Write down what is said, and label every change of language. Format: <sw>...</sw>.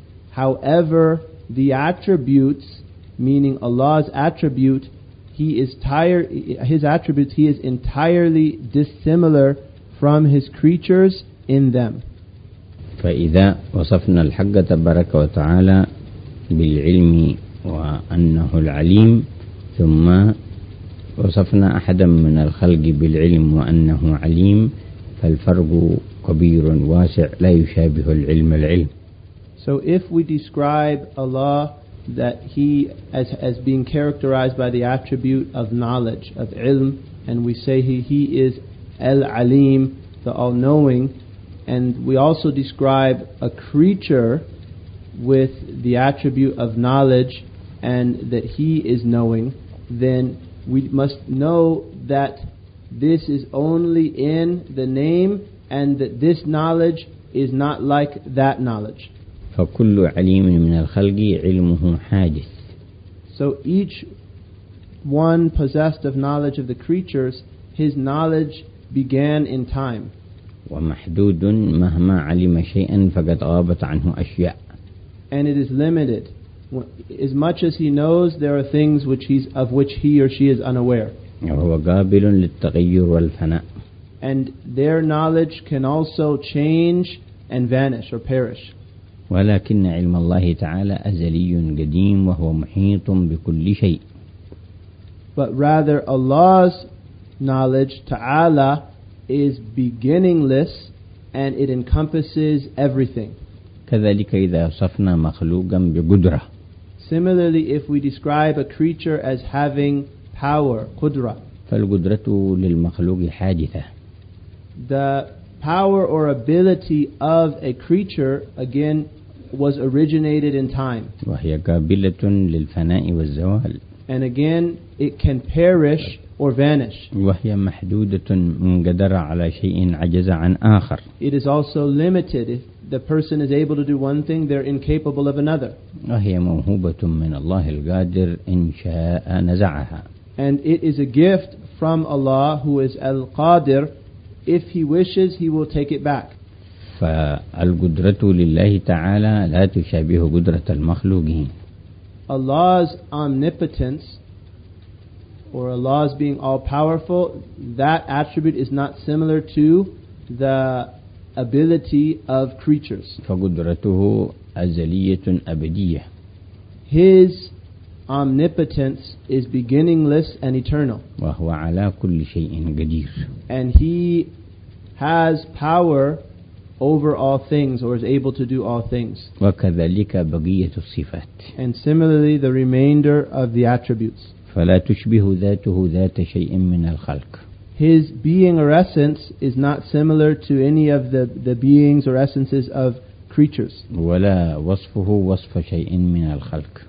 <en>However, the attributes, meaning Allah's attribute, his attributes, he is entirely dissimilar from his creatures in them.</en> <ar>فإذا وصفنا الحق تبارك وتعالى بالعلم وأنه العليم ثم وصفنا أحدا من الخلق بالعلم وأنه عليم فالفرق كبير واسع لا يشابه العلم العلم.</ar> <en>So if we describe Allah that he as being characterized by the attribute of knowledge, of ilm, and we say he is al-alim, the all-knowing, and we also describe a creature with the attribute of knowledge and that he is knowing, then we must know that this is only in the name and that this knowledge is not like that knowledge.</en> <ar>فكل عليم من الخلق علمه حادث.</ar> <en>So each one possessed of knowledge of the creatures, his knowledge began in time.</en> <ar>ومحدود مهما علم شيئا فقد غابت عنه أشياء.</ar> <en>And it is limited. As much as he knows, there are things of which he or she is unaware.</en> <ar>وهو قابل للتغير والفناء.</ar> <en>And their knowledge can also change and vanish or perish.</en> <ar>ولكن علم الله تعالى أزلي قديم وهو محيط بكل شيء.</ar> <en>But rather Allah's knowledge, Ta'ala, is beginningless and it encompasses everything.</en> <ar>كذلك إذا وصفنا مخلوقا بقدرة.</ar> <en>Similarly, if we describe a creature as having power, قدرة.</en> <ar>فالقدرة للمخلوق حادثة.</ar> <en>The power or ability of a creature, again, was originated in time.</en> <ar>وهي قابلة للفناء والزوال.</ar> <en>And again, it can perish or vanish.</en> <ar>وهي محدودة منقدرة على شيء عجز عن آخر.</ar> <en>It is also limited. If the person is able to do one thing, they're incapable of another.</en> <ar>وهي موهوبة من الله القادر إن شاء نزعها.</ar> <en>And it is a gift from Allah who is Al-Qadir. If He wishes, He will take it back.</en> <ar>فالقدرة لله تعالى لا تشابه قدرة المخلوقين.</ar> <en>Allah's omnipotence or Allah's being all-powerful, that attribute is not similar to the ability of creatures.</en> <ar>فقدرته أزلية أبدية.</ar> <en>His omnipotence is beginningless and eternal.</en> <ar>وهو على كل شيء قدير.</ar> <en>And He has power over all things, or is able to do all things.</en> <ar>وكذلك بقية الصفات.</ar> <en>And similarly, the remainder of the attributes.</en> <ar>فلا تشبه ذاته ذات شيء من الخلق.</ar> <en>His being or essence is not similar to any of the beings or essences of creatures.</en> <ar>ولا وصفه وصف شيء من الخلق.</ar>